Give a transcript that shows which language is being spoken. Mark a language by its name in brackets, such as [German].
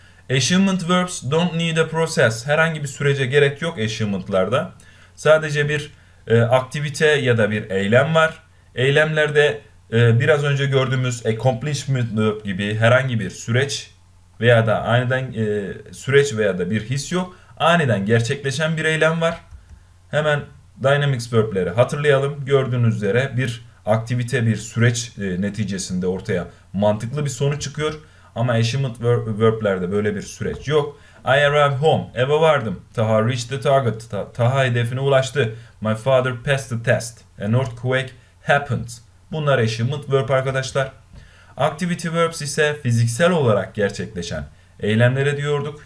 [English] Achievement verbs don't need a process. [Turkish] Herhangi bir sürece gerek yok achievement'larda. Sadece bir aktivite ya da bir eylem var. Eylemlerde biraz önce gördüğümüz accomplishment verb gibi herhangi bir süreç veya da aniden süreç veya da bir his yok. Aniden gerçekleşen bir eylem var. Hemen dynamics verb'leri hatırlayalım. Gördüğünüz üzere bir aktivite, bir süreç neticesinde ortaya mantıklı bir sonuç çıkıyor. Ama achievement verb'lerde böyle bir süreç yok. [English] I arrived home. [Turkish] Eve vardım. [English] Taha reached the target. [Turkish] Taha hedefine ulaştı. [English] My father passed the test. An earthquake happened. [Turkish] Bunlar achievement verb arkadaşlar. Activity verbs ise fiziksel olarak gerçekleşen eylemlere diyorduk.